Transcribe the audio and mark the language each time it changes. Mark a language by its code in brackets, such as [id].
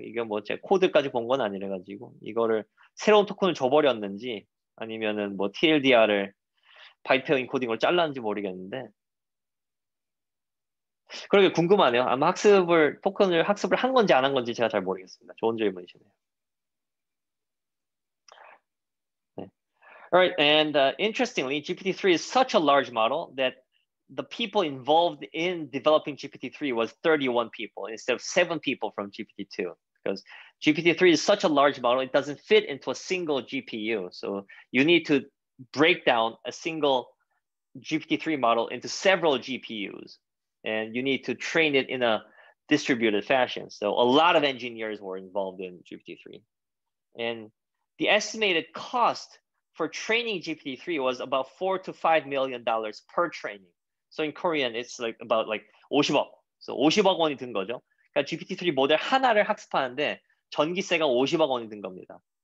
[ko] 이게 뭐 제 코드까지 본 건 아니래가지고 이거를 새로운 토큰을 줘버렸는지 아니면은 뭐 TLDR을 바이트 인코딩을 잘랐는지 모르겠는데 그러게 궁금하네요. 아마 학습을 토큰을 학습을 한 건지 안 한 건지 제가 잘 모르겠습니다. 좋은 질문이시네요. 네. [en] All right, and interestingly, GPT-3 is such a large model that the people involved in developing GPT-3 was 31 people instead of 7 people from GPT-2. Because GPT-3 is such a large model, it doesn't fit into a single GPU. So you need to break down a single GPT-3 model into several GPUs. And you need to train it in a distributed fashion. So a lot of engineers were involved in GPT-3. And the estimated cost for training GPT-3 was about $4 to $5 million per training. So in Korean, it's like about like 50억. [ko] So 50억 원이 든 거죠. 그러니까 GPT-3 모델 하나를 학습하는데 전기세가 50억 원이 든 겁니다.